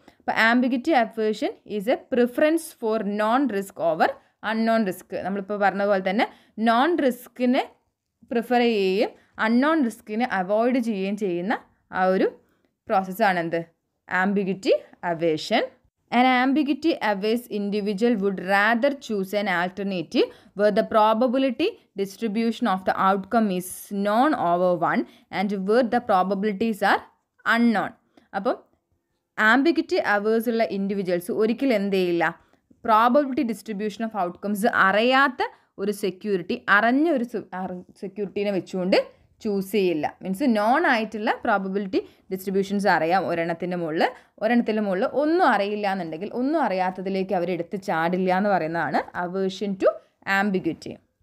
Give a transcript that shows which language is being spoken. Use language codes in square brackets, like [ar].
[en] അപ്പോൾ ambiguity aversion is a preference for known risk over unknown risk. [ml] നമ്മളിപ്പോൾ പറഞ്ഞ പോലെ തന്നെ നോൺ റിസ്കിനെ പ്രിഫർ ചെയ്യുകയും അൺനോൺ റിസ്കിനെ അവോയ്ഡ് ചെയ്യുകയും ചെയ്യുന്ന ആ ഒരു പ്രോസസ്സാണ് എന്ത്, ആംബിഗ്യുറ്റി aversion. [en] An ambiguity averse individual would rather choose an alternative where the probability distribution of the outcome is known over one and where the probabilities are unknown. [ml] അപ്പം ആംബിഗ്യുറ്റി hours ഉള്ള individuals ഒരിക്കലും എന്ത് ചെയ്യില്ല, പ്രോബബിലിറ്റി ഡിസ്ട്രിബ്യൂഷൻ ഓഫ് ഔട്ട്കംസ് അറിയാത്ത ഒരു security, അറിഞ്ഞ ഒരു സെക്യൂരിറ്റീനെ വെച്ചുകൊണ്ട് ചൂസ് ചെയ്യില്ല. മീൻസ് നോൺ ആയിട്ടുള്ള പ്രോബബിലിറ്റി ഡിസ്ട്രിബ്യൂഷൻസ് അറിയാം ഒരെണ്ണത്തിൻ്റെ മുകളിൽ, ഒരെണ്ണത്തിൻ്റെ മുകളിൽ ഒന്നും അറിയില്ല എന്നുണ്ടെങ്കിൽ ഒന്നും അറിയാത്തതിലേക്ക് അവർ എടുത്ത് ചാടില്ല എന്ന് പറയുന്നതാണ് അവേഷൻ ടു ആംബിഗ്യുറ്റി.